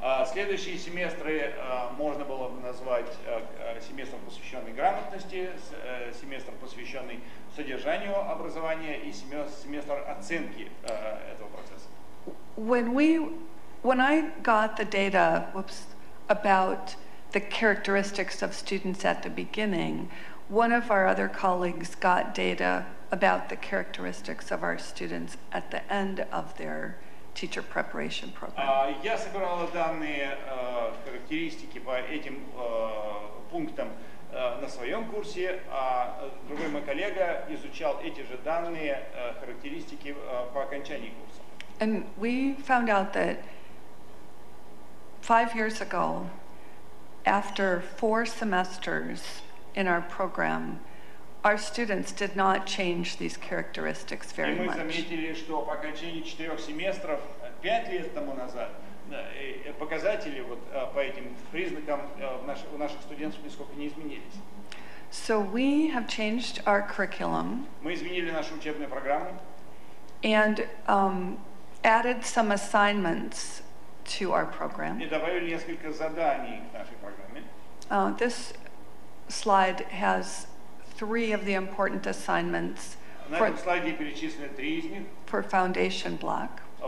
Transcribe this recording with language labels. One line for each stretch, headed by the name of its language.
Russian: Следующие семестры можно было бы назвать семестром, посвященный грамотности, семестром, посвященный содержанию образования и семестр оценки этого процесса.
English: When I got the data, about the characteristics of students at the beginning, one of our other colleagues got data about the characteristics of our students at the end of their teacher preparation program.
Russian: Я собирала данные характеристики по этим пунктам на своем курсе, а другой мой коллега изучал эти же данные характеристики по окончании курса.
English: And we found out that 5 years ago, after four semesters in our program, our students did not change these characteristics very much.
Russian: И мы заметили, что по окончании четырех семестров, пять лет тому назад, показатели вот по этим признакам у наших студентов нисколько не изменились.
English: So we have changed our curriculum.
Russian: Мы изменили нашу учебную программу.
English: And added some assignments to our program.
Russian: И добавили несколько заданий к нашей программе.
English: This slide has three of the important assignments for foundation block.